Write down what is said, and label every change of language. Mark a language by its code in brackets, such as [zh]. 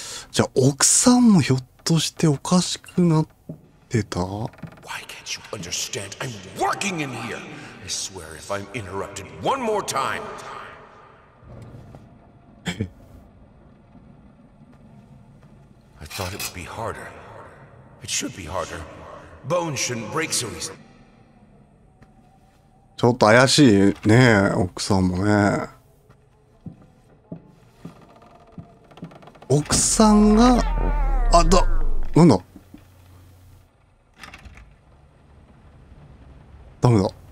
[ja] じゃあ奥さんもひょっとしておかしくなってた？ [en] Why can't you understand? I'm working in here. I swear if I'm interrupted one more time. I thought it would be harder. It should be harder. Bones shouldn't break so easily. [ja] ちょっと怪しいね、奥さんもね。奥さんが、あ、だ、なんだ。ダメだ。